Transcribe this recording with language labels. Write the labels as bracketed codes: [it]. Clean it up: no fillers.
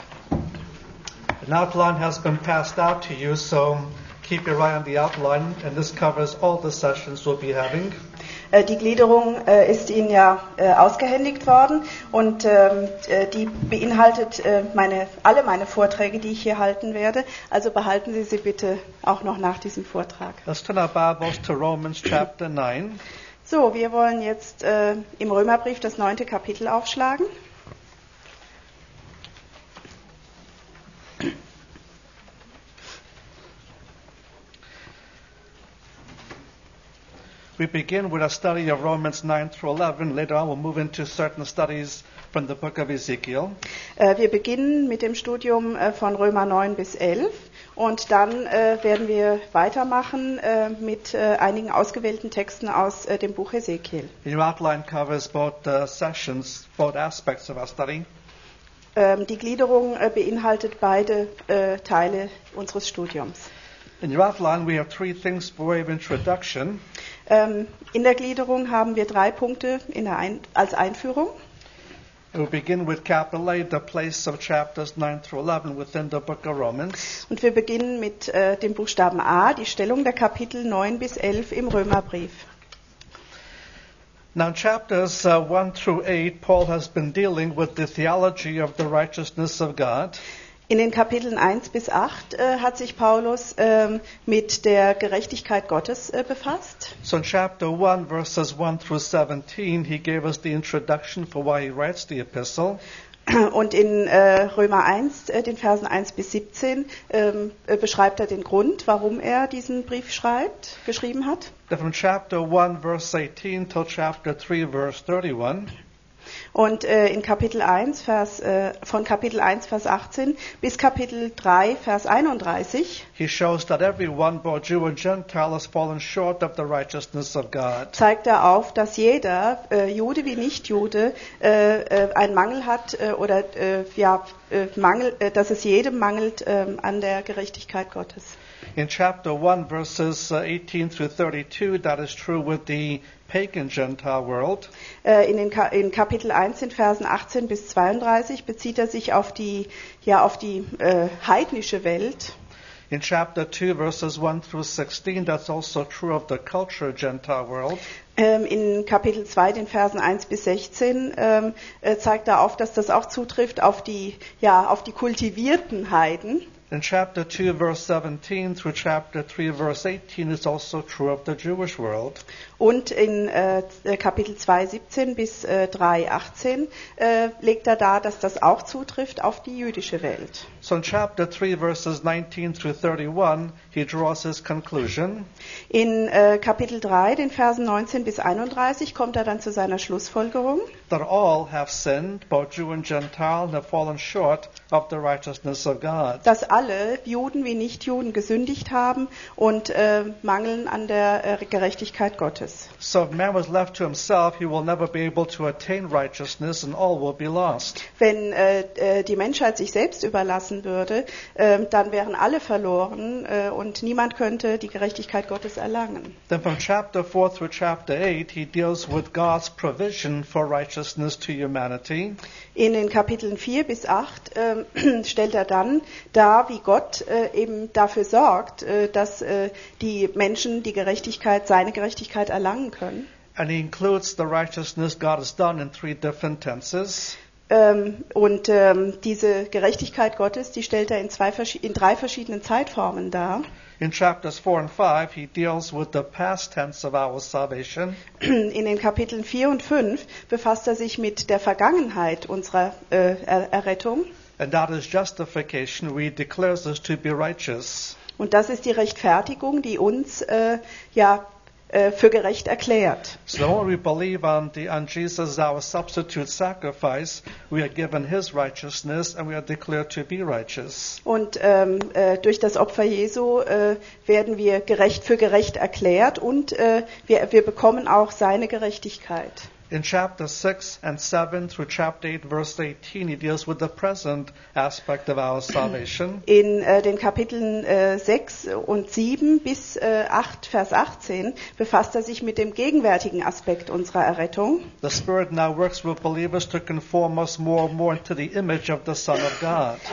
[en] An outline has been passed out to you, so keep your eye on the outline, and this covers all the sessions we'll be having. [de] Die Gliederung ist Ihnen ja ausgehändigt worden und die beinhaltet alle meine Vorträge, die ich hier halten werde. Also behalten Sie sie bitte auch noch nach diesem Vortrag. [en] Let's turn our Bibles to Romans chapter 9. [de] So, wir wollen jetzt im Römerbrief das 9. Kapitel aufschlagen. [en] We begin with a study of Romans 9 through 11. Later on we'll move into certain studies from the book of Ezekiel. [de] Wir beginnen mit dem Studium von Römer 9 bis 11 und dann werden wir weitermachen mit einigen ausgewählten Texten aus dem Buch Ezekiel. [en] Your outline covers both sessions, both aspects of our study. [de] Die Gliederung beinhaltet beide Teile unseres Studiums. [en] In your outline we have three things by way of introduction. [de] In der Gliederung haben wir drei Punkte als Einführung. [en] We'll begin with capital A, the place of chapters 9 through 11 within the book of Romans. [de] Und wir beginnen mit dem Buchstaben A, die Stellung der Kapitel 9 bis 11 im Römerbrief. [en] Now chapters 1 through 8, Paul has been dealing with the theology of the righteousness of God. [de] In den Kapiteln 1 bis 8 hat sich Paulus mit der Gerechtigkeit Gottes befasst. [en] So in chapter 1, verses 1 through 17, he gave us the introduction for why he writes the epistle. [de] Und in Römer 1, den Versen 1 bis 17, beschreibt er den Grund, warum er diesen Brief schreibt, geschrieben hat. [en] From chapter 1, verse 18, till chapter 3, verse 31. [de] Und in Kapitel 1, Vers, von Kapitel 1, Vers 18 bis Kapitel 3, Vers 31. [en] He shows that everyone, both Jew and Gentile, has fallen short of the righteousness of God. [de] Zeigt er auf, dass jeder, Jude wie Nichtjude, einen Mangel hat oder ja, Mangel, dass es jedem mangelt an der Gerechtigkeit Gottes. [en] In chapter 1, verses 18 through 32, that is true with the pagan Gentile world. [de] In Kapitel 1, in Versen 18 bis 32, bezieht er sich auf die, ja, auf die heidnische Welt. [en] In chapter 2, verses 1 through 16, that's also true of the cultural Gentile world. [de] In Kapitel 2, den Versen 1 bis 16, zeigt er auf, dass das auch zutrifft auf die, ja, auf die kultivierten Heiden. [en] In chapter 2, verse 17 through chapter 3, verse 18 is also true of the Jewish world. [de] Und in Kapitel 2, 17 bis 3, 18 legt er dar, dass das auch zutrifft auf die jüdische Welt. [en] So in chapter 3, verses 19 through 31, he draws his conclusion. [de] In Kapitel 3, den Versen 19 bis 31, kommt er dann zu seiner Schlussfolgerung. [en] That all have sinned, both Jew and Gentile, and have fallen short of the righteousness of God. [de] Dass alle, Juden wie Nichtjuden, gesündigt haben und mangeln an der Gerechtigkeit Gottes. [en] So if man was left to himself, he will never be able to attain righteousness and all will be lost. [de] Wenn die Menschheit sich selbst überlassen würde, dann wären alle verloren und niemand könnte die Gerechtigkeit Gottes erlangen. [en] Then from chapter 4 through chapter 8, he deals with God's provision for righteousness to humanity. [de] In den Kapiteln 4 bis 8 stellt er dann dar, wie Gott eben dafür sorgt, dass die Menschen die Gerechtigkeit, seine Gerechtigkeit, erlangen können. [en] And he includes the righteousness God has done in three different tenses. [de] Und diese Gerechtigkeit Gottes, die stellt er in drei verschiedenen Zeitformen dar. [en] In chapters 4 and 5 he deals with the past tense of our salvation. [de] In den Kapiteln 4 und 5 befasst er sich mit der Vergangenheit unserer Errettung. [en] And that is justification, he declares us to be righteous. [de] Und das ist die Rechtfertigung, die uns ja für gerecht erklärt. [en] So when we believe on Jesus our substitute sacrifice, we are given his righteousness and we are declared to be righteous. [de] Und durch das Opfer Jesu werden wir gerecht für gerecht erklärt und wir bekommen auch seine Gerechtigkeit. [en] In chapter 6 and 7 through chapter 8, verse 18, he deals with the present aspect of our salvation. [de] In den Kapiteln 6 und 7 bis 8, Vers 18, befasst sich mit dem gegenwärtigen Aspekt unserer Errettung. [en] The Spirit now works with believers to conform us more and more into the image of the Son of God.